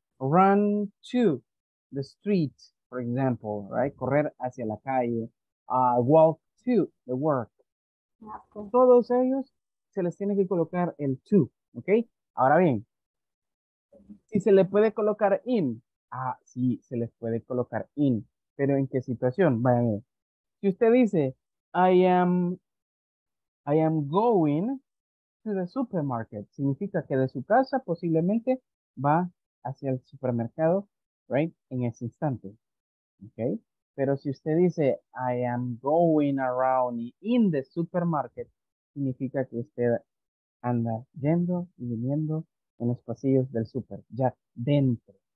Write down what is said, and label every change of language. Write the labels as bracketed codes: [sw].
[en] Run to the street, for example. Right? [es] Correr hacia la calle. Walk to the work. [en] Okay. [es] Todos ellos se les tiene que colocar el to. ¿Ok? Ahora bien, si se le puede colocar in. Ah, sí, se les puede colocar in. ¿Pero en qué situación? Vaya bien. Si usted dice, I am going to the supermarket. Significa que de su casa posiblemente va hacia el supermercado, right, en ese instante. Okay. Pero si usted dice, I am going around in the supermarket, significa que usted anda yendo y viniendo en los pasillos del super, ya dentro.